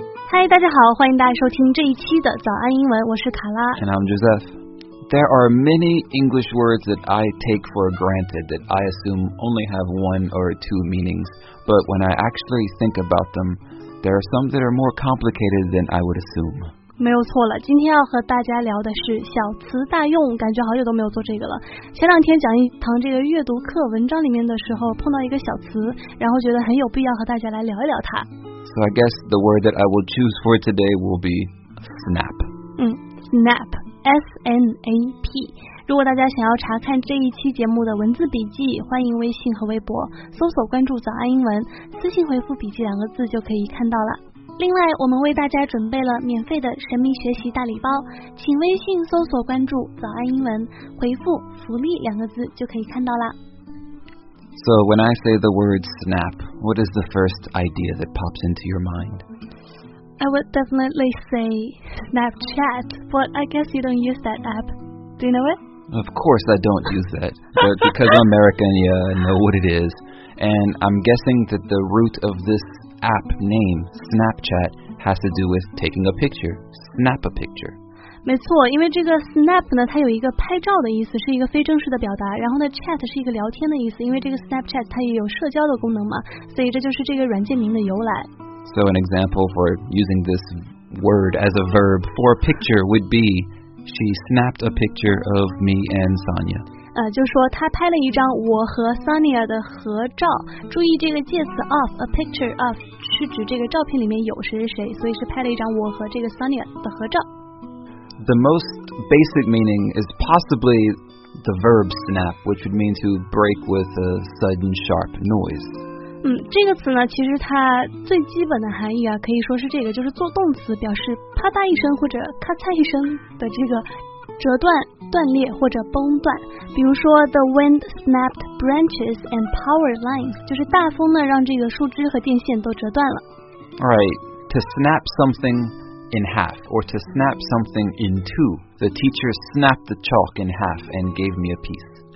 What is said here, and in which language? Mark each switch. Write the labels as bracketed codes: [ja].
[zh] 嗨，大家好，欢迎大家收听这一期的早安英文，我是卡拉。 [en] And I'm Joseph. There are many English words that I take for granted that I assume only have one or two meanings, but when I actually think about them, there are some that are more complicated than I would assume. [zh] 没有错了，今天要和大家聊的是小词大用，感觉好久都没有做这个了。前两天讲一堂这个阅读课文章里面的时候，碰到一个小词，然后觉得很有必要和大家来聊一聊它。 [en] So I guess the word that I will choose for today will be snap. Snap, S-N-A-P. [zh] 如果大家想要查看这一期节目的文字笔记，欢迎微信和微博搜索关注早安英文，私信回复笔记两个字就可以看到了。另外，我们为大家准备了免费的神秘学习大礼包，请微信搜索关注早安英文，回复福利两个字就可以看到啦。 [en] So when I say the word snap, what is the first idea that pops into your mind? I would definitely say Snapchat, but I guess you don't use that app. Do you know it? Of course I don't use that, but because I'm American, yeah, I know what it is. And I'm guessing that the root of thisApp name Snapchat has to do with taking a picture. Snap a picture. [zh] 没错，因为这个 snap 呢，它有一个拍照的意思，是一个非正式的表达。然后呢 ，chat 是一个聊天的意思，因为这个 Snapchat 它也有社交的功能嘛，所以这就是这个软件名的由来。 [en] So an example for using this word as a verb for a picture would be, she snapped a picture of me and Sonia. [zh] 就说他拍了一张我和 Sonia 的合照，注意这个介词 of, a picture of 是指这个照片里面有谁谁，所以是拍了一张我和这个 Sonia 的合照。 [en] The most basic meaning is possibly the verb snap, which would mean to break with a sudden sharp noise. [zh] 这个词呢，其实它最基本的含义啊，可以说是这个，就是做动词表示啪嗒一声或者咔嚓一声的这个折断、断裂或者崩断，比如说 [en] the wind snapped branches and power lines, [zh] 就是大风呢让这个树枝和电线都折断了。 [en] Alright, to snap something in half or to snap something in two, the teacher snapped the chalk in half and gave me a piece.